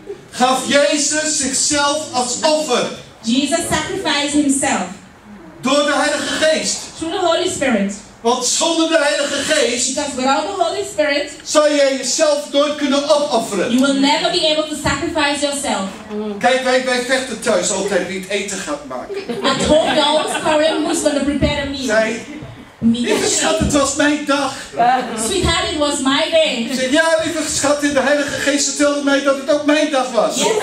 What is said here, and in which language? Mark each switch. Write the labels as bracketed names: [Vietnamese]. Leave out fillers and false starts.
[Dutch] Gaf Jezus zichzelf als offer. [English] Jesus sacrificed himself. [Dutch] Door de Heilige Geest. [English] Through the Holy Spirit. [Dutch] Want zonder de Heilige Geest. [English] Because without the Holy Spirit. [Dutch] Zou jij jezelf nooit kunnen opofferen. [English] You will never be able to sacrifice yourself. [Dutch] Kijk, wij vechten thuis altijd wie het eten gaat maken. [English] At home, we always quarrel who's going to prepare a meal. [Dutch] Zij Lieve schat, het was mijn dag. [English] Sweetheart, it was my day. [Dutch] Zeg, ja, lieve schat, de Heilige Geest vertelde mij dat het ook mijn dag was.